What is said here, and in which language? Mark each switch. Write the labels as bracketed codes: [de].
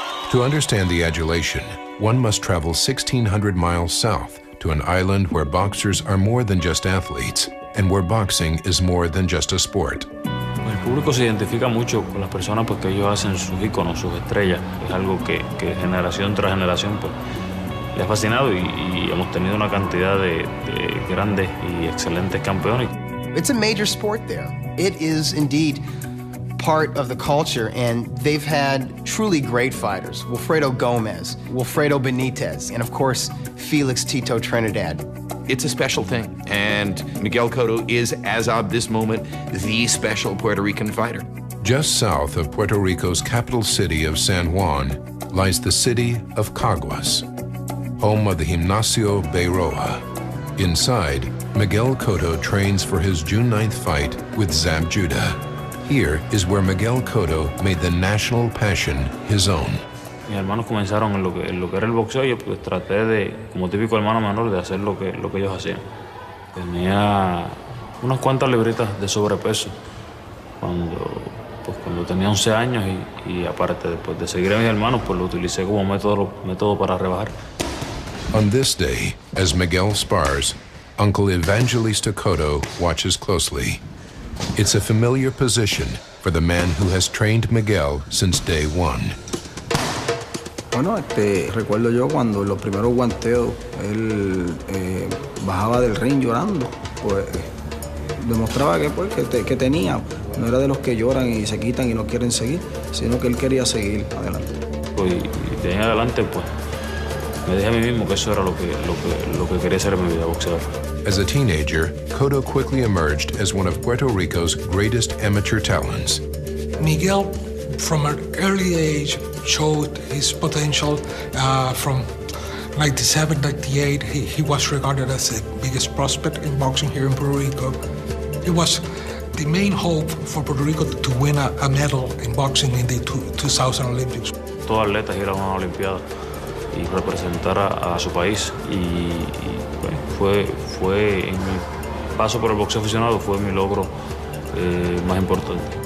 [en] To understand the adulation, one must travel 1,600 miles south to an island where boxers are more than just athletes and where boxing is more than just a sport. [es] El público se identifica mucho con las personas porque ellos hacen sus iconos, sus estrellas. Es algo que generación tras generación pues le ha fascinado y hemos tenido una cantidad de grandes y excelentes campeones. [en] It's a major sport there. It is indeed part of the culture, and they've had truly great fighters. Wilfredo Gomez, Wilfredo Benitez, and of course, Felix Tito Trinidad. It's a special thing, and Miguel Cotto is, as of this moment, the special Puerto Rican fighter. Just south of Puerto Rico's capital city of San Juan lies the city of Caguas, home of the Gimnasio Bayroa. Inside, Miguel Cotto trains for his June 9th fight with Zab Judah. Here is where Miguel Cotto made the national passion his own. [es] Mis hermanos comenzaron en lo que era el boxeo, y pues traté de, como típico hermano menor, de hacer lo que ellos hacían. Tenía unas cuantas libritas de sobrepeso cuando tenía 11 años y aparte después de seguir a mis hermanos, pues lo utilicé como método para rebajar. [en] On this day, as Miguel spars, Uncle Evangelista Cotto watches closely. It's a familiar position for the man who has trained Miguel since day one. [es] Bueno, recuerdo yo cuando los primeros guanteos, él bajaba del ring llorando, pues demostraba que tenía. No era de los que lloran y se quitan y no quieren seguir, sino que él quería seguir adelante. Pues, y de ahí adelante, pues, me dije a mí mismo que eso era lo que quería hacer en mi vida, boxeador. [en] As a teenager, Cotto quickly emerged as one of Puerto Rico's greatest amateur talents. Miguel, from an early age, showed his potential. From 97, 98, he was regarded as the biggest prospect in boxing here in Puerto Rico. He was the main hope for Puerto Rico to win a medal in boxing in the 2000 Olympics. [es] Todo atleta quiere ganar una olimpiada y representar a su país y fue en mi paso por el boxeo aficionado fue mi logro más importante.